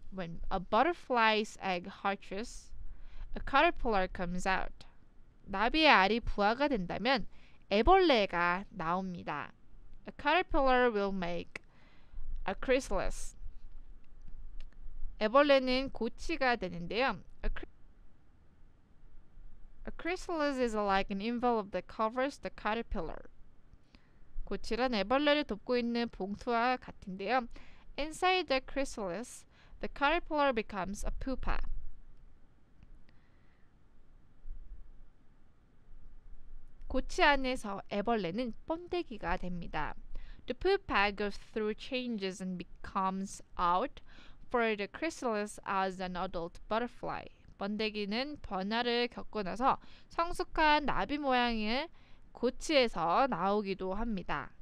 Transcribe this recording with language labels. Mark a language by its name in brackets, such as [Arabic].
[English] When a butterfly's egg hatches, a caterpillar comes out. [Korean] 나비의 알이 부화가 된다면 애벌레가 나옵니다. [English] A caterpillar will make a chrysalis. [Korean] 애벌레는 고치가 되는데요. [English] A chrysalis is like an envelope that covers the caterpillar. [Korean] 고치란 애벌레를 덮고 있는 봉투와 같은데요. [English] Inside the chrysalis, the caterpillar becomes a pupa. [Korean] 고치 안에서 애벌레는 번데기가 됩니다. [English] The pupa goes through changes and becomes out for the chrysalis as an adult butterfly. [Korean] 번데기는 변화를 겪고 나서 성숙한 나비 모양의 고치에서 나오기도 합니다.